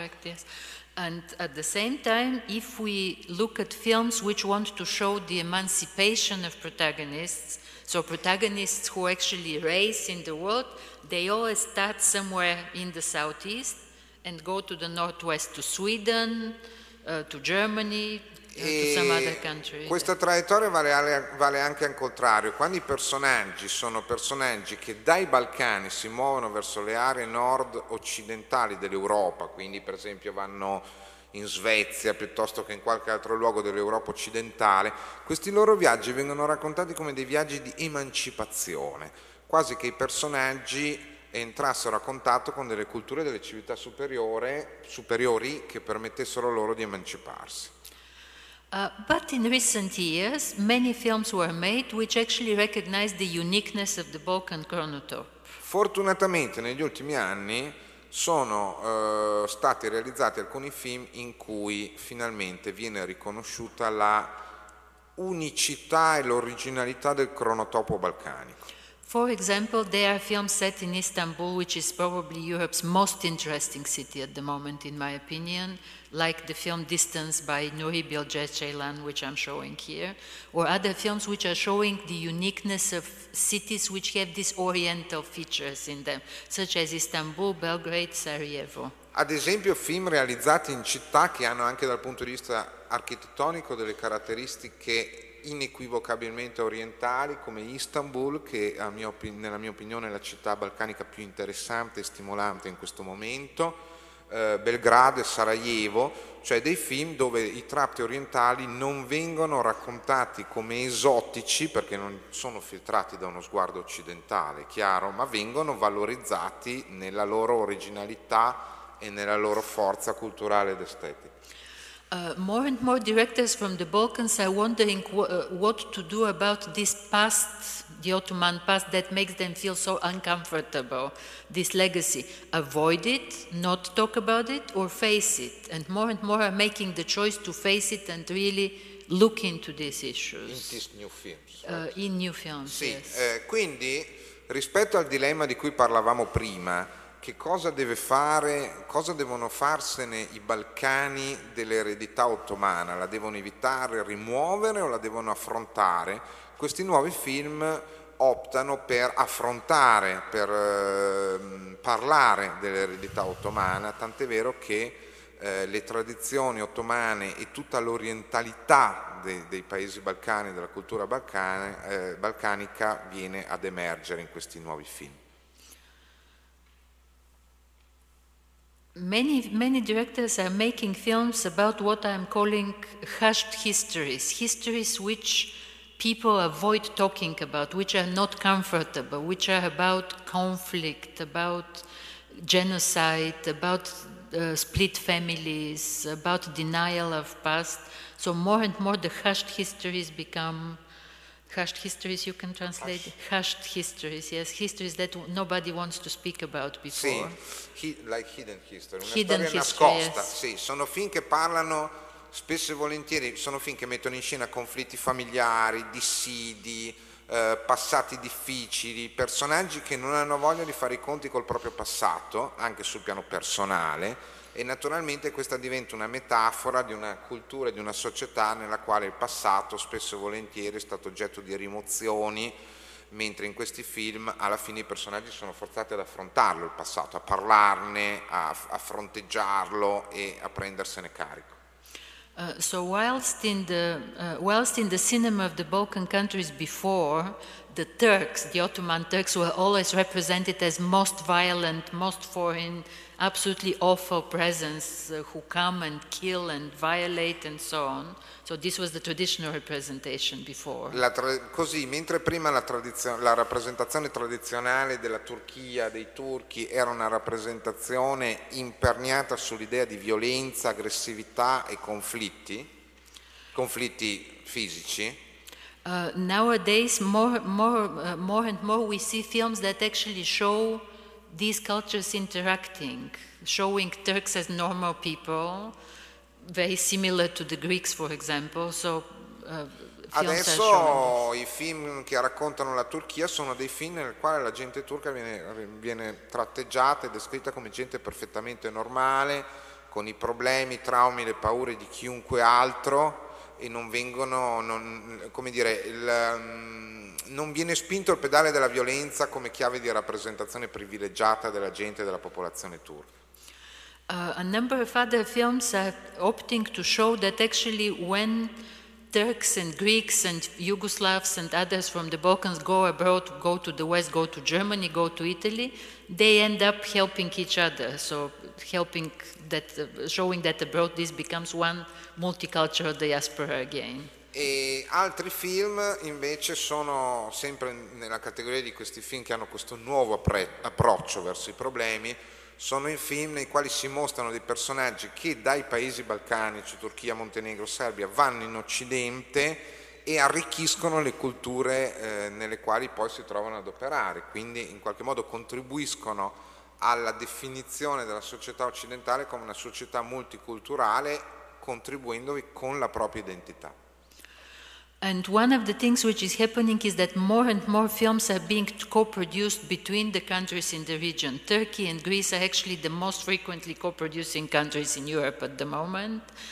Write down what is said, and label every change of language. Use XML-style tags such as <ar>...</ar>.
<en>Correct, yes. And at the same time, if we look at films which want to show the emancipation of protagonists, so protagonists who actually race in the world, they always start somewhere in the southeast and go to the northwest, to Sweden, to Germany. to some other country.</en> <it>Questa traiettoria vale anche al contrario. Quando i personaggi sono personaggi che dai Balcani si muovono verso le aree nord-occidentali dell'Europa, quindi per esempio vanno in Svezia piuttosto che in qualche altro luogo dell'Europa occidentale, questi loro viaggi vengono raccontati come dei viaggi di emancipazione, quasi che i personaggi entrassero a contatto con delle culture, delle civiltà superiori che permettessero loro di emanciparsi.</it> <en>But in recent years many films were made which actually recognized the uniqueness of the Balkan chronotope.</en> <it>Fortunatamente negli ultimi anni sono stati realizzati alcuni film in cui finalmente viene riconosciuta la unicità e l'originalità del cronotopo balcanico.</it> <en>For example, there are films set in Istanbul, which is probably Europe's most interesting city at the moment, in my opinion, like the film Distance by Nuri Bilge Ceylan, which I'm showing here, or other films which are showing the uniqueness of cities which have these oriental features in them, such as Istanbul, Belgrade, Sarajevo.</en> <it>Ad esempio, film realizzati in città che hanno anche dal punto di vista architettonico delle caratteristiche inequivocabilmente orientali, come Istanbul, che nella mia opinione è la città balcanica più interessante e stimolante in questo momento, Belgrado e Sarajevo, cioè dei film dove i tratti orientali non vengono raccontati come esotici, perché non sono filtrati da uno sguardo occidentale, chiaro, ma vengono valorizzati nella loro originalità e nella loro forza culturale ed estetica.</it> <en>More and more directors from the Balkans are wondering what to do about this past, the Ottoman past, that makes them feel so uncomfortable, this legacy. Avoid it, not talk about it, or face it? And more are making the choice to face it and really look into these issues. In these new films. Right? In new films,</en> <it>sì.</it> <en>Yes.</en> <it>Quindi, rispetto al dilemma di cui parlavamo prima, che cosa deve fare, cosa devono farsene i Balcani dell'eredità ottomana? La devono evitare, rimuovere o la devono affrontare? Questi nuovi film optano per affrontare, per parlare dell'eredità ottomana, tant'è vero che le tradizioni ottomane e tutta l'orientalità dei paesi balcani, della cultura balcanica viene ad emergere in questi nuovi film.</it> <en>Many directors are making films about what I'm calling hushed histories, histories which people avoid talking about, which are not comfortable, which are about conflict, about genocide, about split families, about denial of past. So more and more the hushed histories become hushed histories, you can translate hushed histories, yes, histories that nobody wants to speak about before.</en> <it>Sì,</it> <en>like hidden history,</en> <it>una</it> <en>hidden</en> <it>storia</it> <en>history,</en> <it>nascosta.</it> <en>Yes.</en> <it>Sì, sono film che parlano spesso e volentieri, sono film che mettono in scena conflitti familiari, dissidi, passati difficili, personaggi che non hanno voglia di fare i conti col proprio passato, anche sul piano personale, e naturalmente questa diventa una metafora di una cultura e di una società nella quale il passato spesso e volentieri è stato oggetto di rimozioni, mentre in questi film alla fine i personaggi sono forzati ad affrontarlo il passato, a parlarne, a fronteggiarlo e a prendersene carico.</it> <en>So whilst in the cinema of the Balkan countries before, the Turks, the Ottoman Turks, were always represented as most violent, most foreign, absolutely awful presence who come and kill and violate and so on. So this was the traditional representation before.</en> <it>Così, mentre prima la rappresentazione tradizionale della Turchia, dei turchi, era una rappresentazione imperniata sull'idea di violenza, aggressività e conflitti fisici.</it> <en>Nowadays more and more we see films that actually show these cultures interacting, showing Turks as normal people, very similar to the Greeks, for example. So,</en> <it>adesso i film che raccontano la Turchia sono dei film nel quale la gente turca viene tratteggiata e descritta come gente perfettamente normale, con i problemi, i traumi, le paure di chiunque altro, e non viene spinto il pedale della violenza come chiave di rappresentazione privilegiata della gente e della popolazione turca.</it> <en>A number of other films are opting to show that actually when Turks and Greeks and Yugoslavs and others from the Balkans go abroad, go to the West, go to Germany, go to Italy, they end up helping each other. So helping that, showing that abroad this becomes one multicultural diaspora again.</en> <it>E altri film invece sono sempre nella categoria di questi film che hanno questo nuovo approccio verso i problemi. Sono i film nei quali si mostrano dei personaggi che dai paesi balcanici, Turchia, Montenegro, Serbia, vanno in Occidente e arricchiscono le culture nelle quali poi si trovano ad operare, quindi in qualche modo contribuiscono alla definizione della società occidentale come una società multiculturale, contribuendovi con la propria identità.</it> <en>And one of the things which is happening is that more and more films are being co-produced between the countries in the region. Turkey and Greece are actually the most frequently co-producing countries in Europe at the moment.</en>